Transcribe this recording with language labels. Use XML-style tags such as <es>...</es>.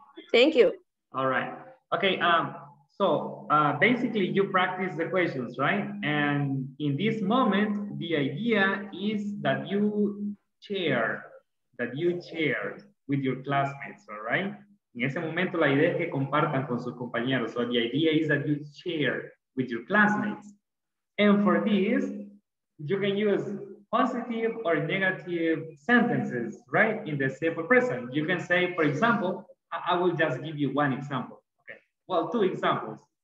<en>Thank you. All right. Okay, so basically you practice the questions, right? And in this moment, the idea is that you share, with your classmates, all right?</en> <es>En ese momento, la idea es que compartan con sus compañeros.</es> <en>So the idea is that you share with your classmates. And for this, you can use positive or negative sentences, right? In the simple present. You can say, for example, I will just give you one example. Okay. Well, two examples.</en>